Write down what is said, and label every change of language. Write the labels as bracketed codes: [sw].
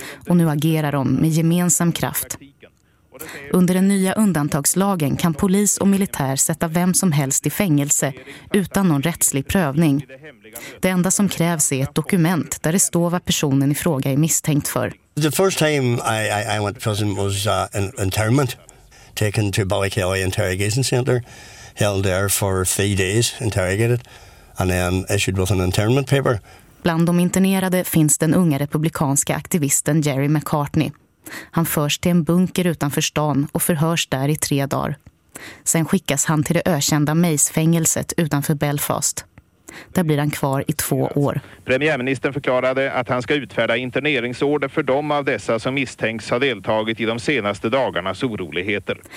[sv] Och nu agerar de med gemensam kraft. Under den nya undantagslagen kan polis och militär sätta vem som helst i fängelse utan någon rättslig prövning. Det enda som krävs är ett dokument där det står vad personen i fråga är misstänkt för. [en] The first time I went to prison was an internment, taken to Ballykelly Interrogation Center, held there for 3 days, interrogated, and then issued with an internment paper. [sv] Bland de internerade finns den unga republikanska aktivisten Jerry McCartney. Han förs till en bunker utanför stan och förhörs där i 3 dagar. Sen skickas han till det ökända Mace-fängelset utanför Belfast. Där blir han kvar i 2 år. Premiärministern förklarade att han ska utfärda interneringsorder för de av dessa som misstänks ha deltagit i de senaste dagarnas oroligheter.